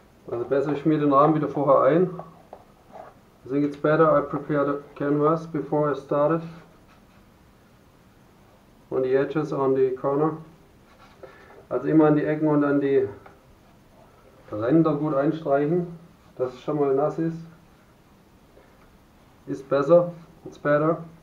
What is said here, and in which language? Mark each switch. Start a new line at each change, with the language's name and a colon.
German: Also besser, ich schmier den Rahmen wieder vorher ein.
English: I think it's better I prepare the canvas before I started. On the edges, on the corner.
German: Also immer an die Ecken und dann die Ränder gut einstreichen, dass es schon mal nass ist. Ist besser,
English: it's better.